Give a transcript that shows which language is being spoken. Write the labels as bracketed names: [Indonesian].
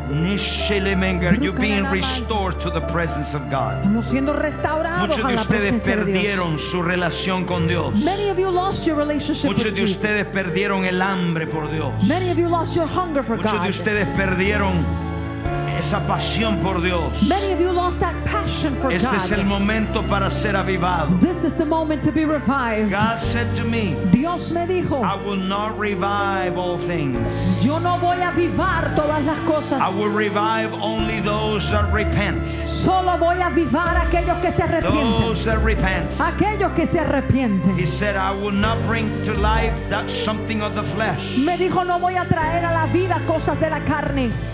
[English] You're being restored to the presence of God. [Spanish] Estamos siendo restaurados. Muchos de ustedes perdieron su relación con Dios. [English] Many of you lost your relationship with Jesus. [Spanish] Muchos de ustedes perdieron el hambre por Dios. [English] Many of you lost your hunger for God. [Spanish] Muchos de ustedes perdieron esa pasión por Dios. [English] Many of you lost that passion for God. [Spanish] Este es el momento para ser avivado. [English] This is the moment to be revived. God said to me, [Spanish] Dios me dijo, [English] I will not revive all things. [Spanish] Yo no voy a avivar todas las cosas. [English] I will revive only those that repent. [Spanish] Solo voy a avivar aquellos que se arrepienten. [English] Those that repent. [Spanish] Aquellos que se arrepienten. [English] He said, I will not bring to life that something of the flesh. [Spanish] Me dijo, no voy a traer a la vida cosas de la carne.